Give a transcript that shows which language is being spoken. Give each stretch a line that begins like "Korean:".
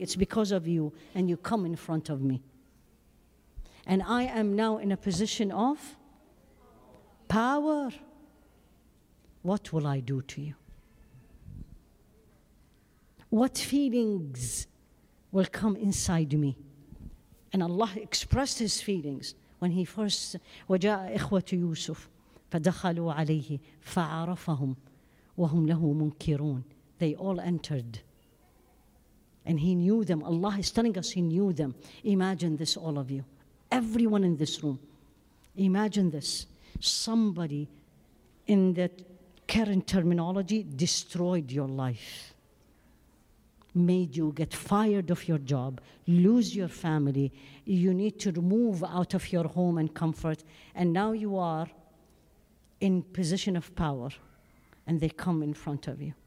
English: It's because of you, and you come in front of me. And I am now in a position of power. What will I do to you? What feelings will come inside me? And Allah expressed his feelings when he first
Arabic: وَجَاءَ إِخْوَةُ يُوسُفَ فَدَخَلُوا عَلَيْهِ فَعَرَفَهُمْ وَهُمْ لَهُ مُنْكِرُونَ.
English: They all entered. And he knew them. Allah is telling us he knew them. Imagine this, all of you. Everyone in this room. Imagine this. Somebody in that current terminology destroyed your life, made you get fired of your job, lose your family, you need to move out of your home and comfort, and now you are in position of power, and they come in front of you.